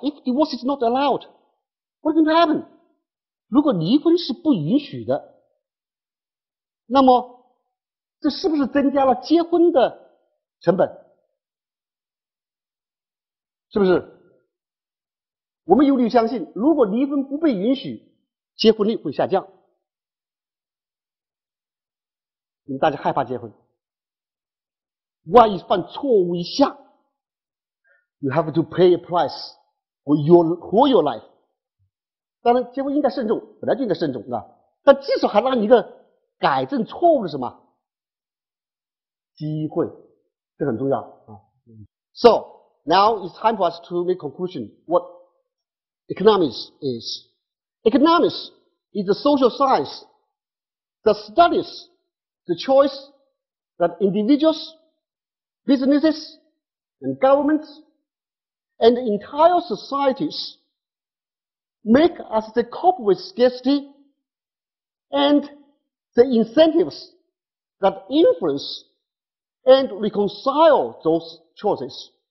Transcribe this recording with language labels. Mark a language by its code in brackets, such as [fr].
[en] If divorce is not allowed, what's going to happen? [zh] 如果离婚是不允许的, 那么这是不是增加了结婚的成本? 是不是?我们有理由相信, 如果离婚不被允许, 结婚率会下降。你们大家害怕结婚。万一犯错误一下, [en] you have to pay a price for your life. [zh] 当然结婚应该慎重, 本来就应该慎重, 但至少还让你一个改正错误的什么? 机会, 这很重要。 [en] So, now it's time for us to make conclusion. What economics is? Economics is a social science that studies the choice that individuals, businesses, and governments, and entire societies make as they cope with scarcity and the incentives that influence and reconcile those choices.